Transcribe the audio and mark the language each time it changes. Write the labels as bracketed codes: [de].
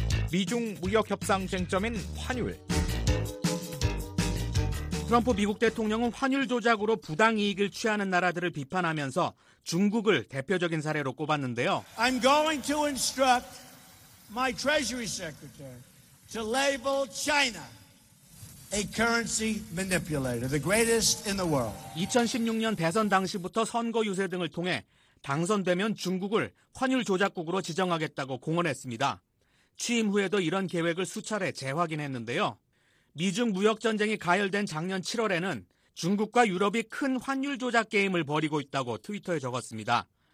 [ko] 미중 무역협상 쟁점인 환율. 트럼프 미국 대통령은 환율 조작으로 부당 이익을 취하는 나라들을 비판하면서 중국을 대표적인 사례로 꼽았는데요. [en] I'm going to instruct my Treasury Secretary to label China a currency manipulator, the greatest in the world. [ko] 2016년 대선 당시부터 선거 유세 등을 통해 당선되면 중국을 환율 조작국으로 지정하겠다고 공언했습니다. 취임 후에도 이런 계획을 수차례 재확인했는데요. 미중 무역전쟁이 가열된 작년 7월에는 중국과 유럽이 큰 환율 조작 게임을 벌이고 있다고 트위터에 적었습니다.